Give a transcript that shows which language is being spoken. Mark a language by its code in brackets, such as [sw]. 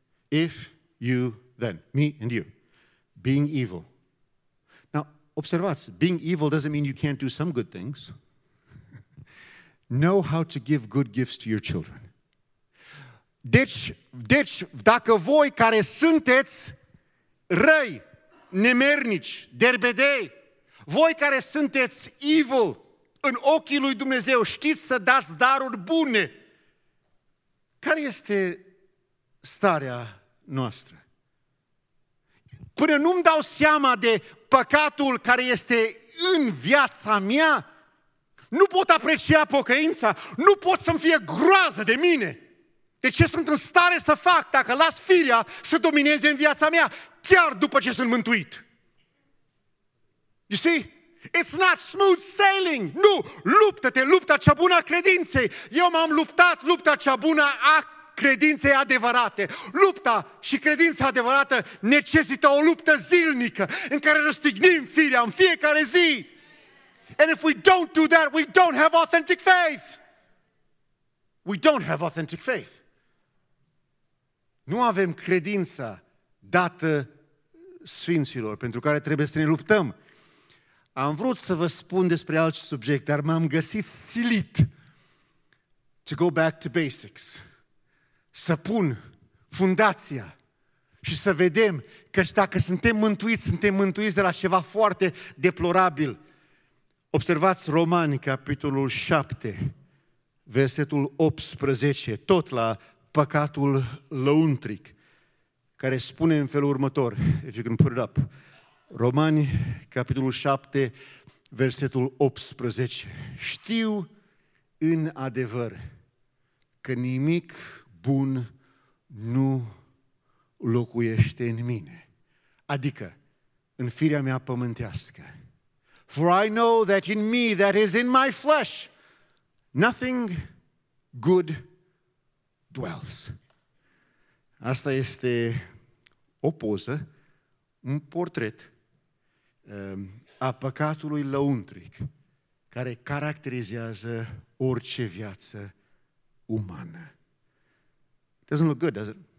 [en] If you then, me and you, being evil. Now, [ro] observați, [en] being evil doesn't mean you can't do some good things. Know how to give good gifts to your children. [ro] Deci, dacă voi care sunteți răi, nemernici, derbedei, voi care sunteți evil în ochii lui Dumnezeu, știți să dați daruri bune. Care este starea noastră? Până nu-mi dau seama de păcatul care este în viața mea, nu pot aprecia pocăința, nu pot să-mi fie groază de mine. De ce sunt în stare să fac dacă las firea să domineze în viața mea, chiar după ce sunt mântuit? [en] You see? It's not smooth sailing. [ro] Nu, luptă-te, lupta cea bună a credinței. Eu m-am luptat lupta cea bună a credinței adevărate. Lupta și credința adevărată necesită o luptă zilnică în care răstignim firea în fiecare zi. [en] And if we don't do that, we don't have authentic faith. We don't have authentic faith. [ro] Nu avem credința dată sfinților pentru care trebuie să ne luptăm. Am vrut să vă spun despre alt subiect, dar m-am găsit silit [en] to go back to basics. [ro] Să pun fundația și să vedem că dacă suntem mântuiți, suntem mântuiți de la ceva foarte deplorabil. Observați Romani, capitolul 7, versetul 18, tot la păcatul lăuntric, care spune în felul următor, [en] if you can put it up, [ro] Romani, capitolul 7, versetul 18. Știu în adevăr că nimic bun nu locuiește în mine, adică în firea mea pământească. [en] For I know that in me, that is in my flesh, nothing good dwells. [ro] Asta este o poză, un portret a păcatului lăuntric care caracterizează orice viață umană. [en] Doesn't look good, does it?